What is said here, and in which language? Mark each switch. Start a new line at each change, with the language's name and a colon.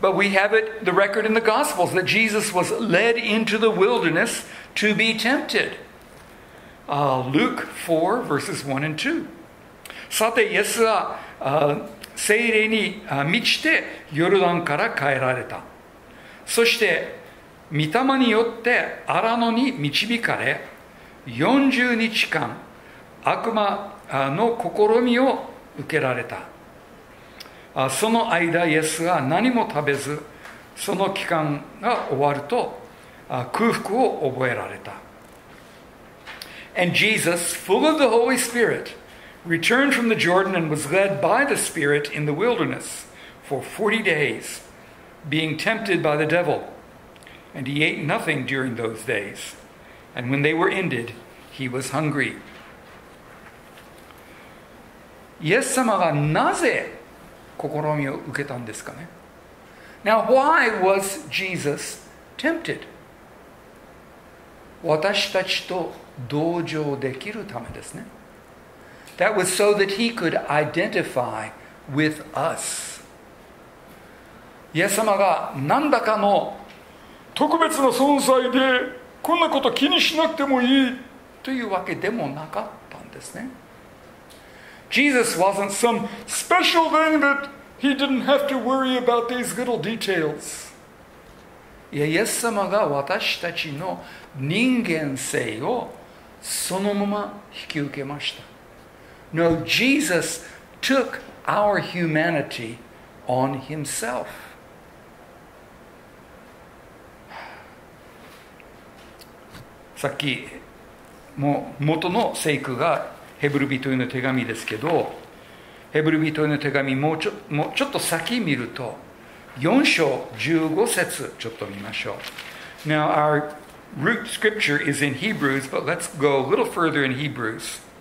English: But we have it, the record in the Gospels, that Jesus was led into the wilderness to be tempted. Luke 4, verses 1 and 2.
Japanese: さて、イエスは聖霊に満ちてヨルダンから帰られた。そして、御霊によって荒野に導かれ、40日間悪魔の試みを受けられた。その間、イエスは何も食べず、その期間が終わると空腹を覚えられた。
English: And Jesus, full of the Holy Spirit, returned from the Jordan and was led by the Spirit in the wilderness for 40 days, being tempted by the devil. And he ate nothing during those days. And when they were ended, he was hungry.
Japanese: イエス様がなぜ試みを受けたんですかね?
English: Now, why was Jesus tempted?
Japanese: 私たちと同情できるためですね。
English: That was so that he could identify with us.
Japanese: イエス様が何らかの特別な存在でこんなこと気にしなくてもいいというわけでもなかったんですね。
English: Jesus wasn't some special thing that he didn't have to worry about these little details.
Japanese: いや、イエス様が私たちの人間性をそのまま引き受けました。
English: No, Jesus took our humanity on himself.
Japanese: さっきも元の聖句がヘブル人への手紙ですけど、ヘブル人への手紙もうちょっと先見ると、4章15節ちょっと見ましょう。
English: Now, our root scripture is in Hebrews, but let's go a little further in Hebrews.